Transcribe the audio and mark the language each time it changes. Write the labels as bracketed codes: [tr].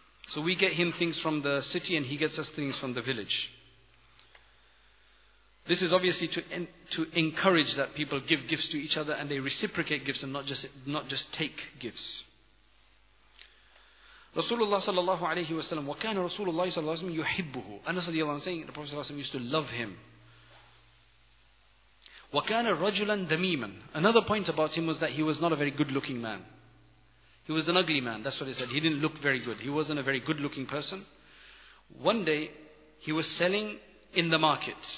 [en] So we get him things from the city and he gets us things from the village. This is obviously to encourage that people give gifts to each other and they reciprocate gifts and not just take gifts. [ar] Rasulullah sallallahu alayhi wa sallam, وَكَانَ رَسُولُ اللَّهِ صَلَّى اللَّهُ عَلَيْهِ وَسَلَّمْ يُحِبُّهُ. [en] Anas رضي الله عنه saying, the Prophet sallallahu alayhi wa sallam used to love him. [ar] وَكَانَ رَجُلًا دَمِيمًا. [en] Another point about him was that he was not a very good looking man. He was an ugly man, that's what he said. He didn't look very good. He wasn't a very good looking person. One day, he was selling in the market.